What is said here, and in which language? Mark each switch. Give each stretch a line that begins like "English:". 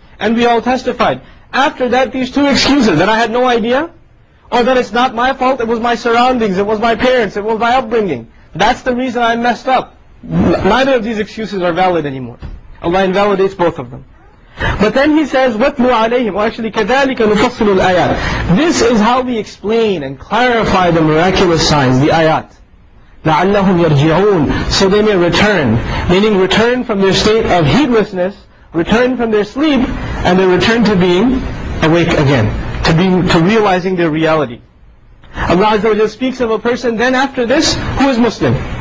English: And we all testified. After that, these two excuses, that I had no idea, or that it's not my fault, it was my surroundings, it was my parents, it was my upbringing. That's the reason I messed up. Neither of these excuses are valid anymore. Allah invalidates both of them. But then He says,
Arabic: وَتْلُوا عَلَيْهِمْ.
English: Well, actually,
Arabic: كَذَلِكَ نُفَصِّلُ الْآيَاتِ.
English: This is how we explain and clarify the miraculous signs, the ayat.
Arabic: لَعَلَّهُمْ يَرْجِعُونَ.
English: So they may return. Meaning return from their state of heedlessness, return from their sleep, and they return to being awake again. To realizing their reality. Allah Azza wa Jalla speaks of a person then after this, who is Muslim.